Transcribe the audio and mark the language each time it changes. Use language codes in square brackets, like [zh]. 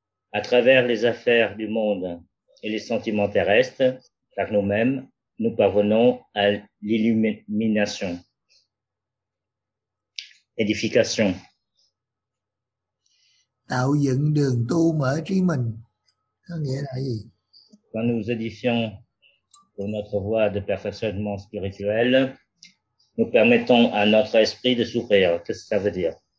[fr] À travers les affaires du monde et les sentiments terrestres, par nous-mêmes, nous parvenons à l'illumination. Édification. [vi] Tạo dựng đường tu mở trí mình có nghĩa là gì? [fr] Quand nous édifions pour notre voie de perfectionnement spirituel, nous permettons à notre esprit de souffrir. Qu'est-ce que ça veut dire?